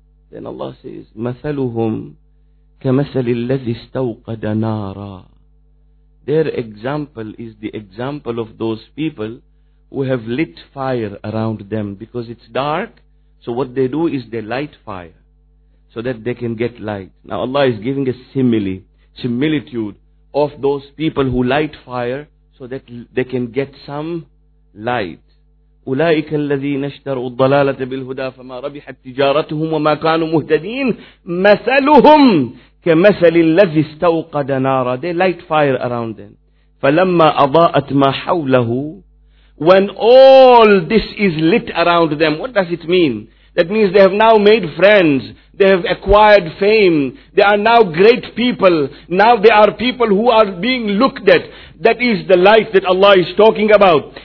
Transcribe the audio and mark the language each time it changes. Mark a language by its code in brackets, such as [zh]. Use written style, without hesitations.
[en] Then Allah says, [ar] مَثَلُهُمْ كمثل الذي استوقد نارا. [en] Their example is the example of those people who have lit fire around them because it's dark. So what they do is they light fire so that they can get light. Now Allah is giving a similitude of those people who light fire so that they can get some light. [ar] أولئك الذين اشتروا الضلالة بالهدى فما ربحت تجارتهم وما كانوا مهتدين مثلهم كمثل الذي استوقد نارا. [en] They light fire around them. [ar] فلما أضاءت ما حوله. [en] When all this is lit around them, what does it mean? That means they have now made friends. They have acquired fame. They are now great people. Now they are people who are being looked at. That is the life that Allah is talking about.